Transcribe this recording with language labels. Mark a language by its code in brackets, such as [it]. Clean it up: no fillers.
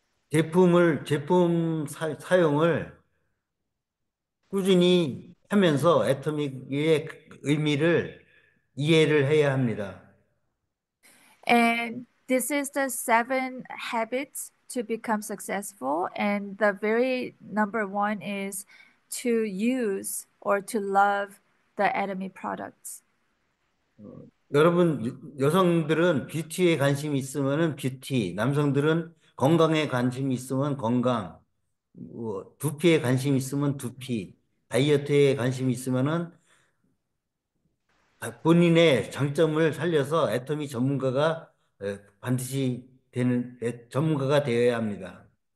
[ko] 제품 사용을 꾸준히 하면서 애터미의 의미를 이해를 해야 합니다. [en] And this is the seven habits to become successful, and the very number one is to use or to love the Atomy products. [ko] 여러분, 여성들은 뷰티에 관심이 있으면 뷰티, 남성들은 건강에 관심이 있으면 건강, 두피에 관심이 있으면 두피, 다이어트에 관심이 있으면은 본인의 장점을 살려서 애터미 전문가가 반드시 전문가가 되어야 합니다.